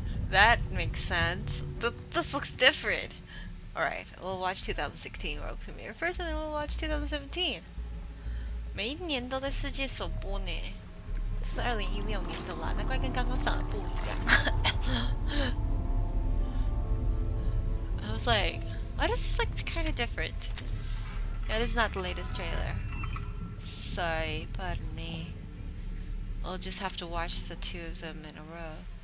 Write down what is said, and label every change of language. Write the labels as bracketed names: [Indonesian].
[English] That makes sense. This looks different. Alright, we'll watch 2016 world premiere first and then we'll watch 2017. [Chinese] 每一年都在世界首播呢。这是2016年的啦，难怪跟刚刚上的不一样。 [English] I was like, why does this look kind of different? That is not the latest trailer. Sorry, pardon me. We'll just have to watch the two of them in a row.